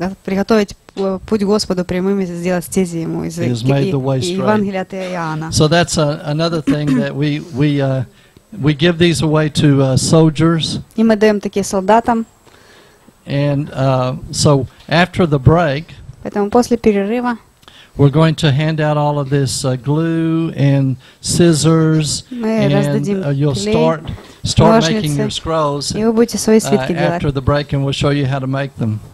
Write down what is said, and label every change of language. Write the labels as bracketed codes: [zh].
[ru] Приготовить путь Господу прямыми, сделать стези ему из Евангелия от Иоанна. [en] So that's another thing that we give these away to soldiers. [ru] И мы даем такие солдатам. [en] And so after the break. [ru] Поэтому после перерыва. [en] We're going to hand out all of this glue and scissors, and you'll start [ru] ножницы, [en] making your scrolls after the break, and we'll show you how to make them.